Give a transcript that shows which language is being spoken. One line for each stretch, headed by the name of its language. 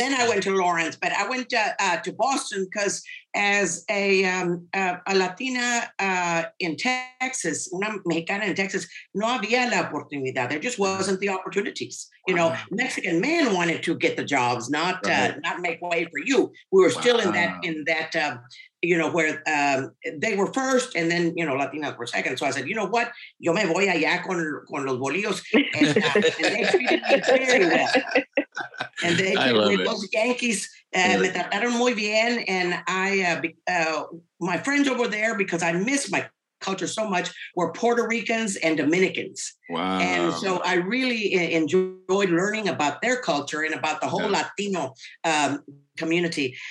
English: And then I went to Lawrence, but I went to Boston because as a Latina in Texas,
Spanish: una Mexicana
English: in Texas,
Spanish: no había la oportunidad.
English: There just wasn't the opportunities. You know, Mexican men wanted to get the jobs, not make way for you. We were still in that, you know, where they were first and then, you know, Latinas were second. So I said, you know what?
Spanish: Yo me voy allá con los bolillos.
English: And they treated me very well. And they were both Yankees.
Spanish: Me trataron muy bien.
English: And my friends over there, because I miss my culture so much, were Puerto Ricans and Dominicans. Wow. And so I really enjoyed learning about their culture and about the whole Latino community.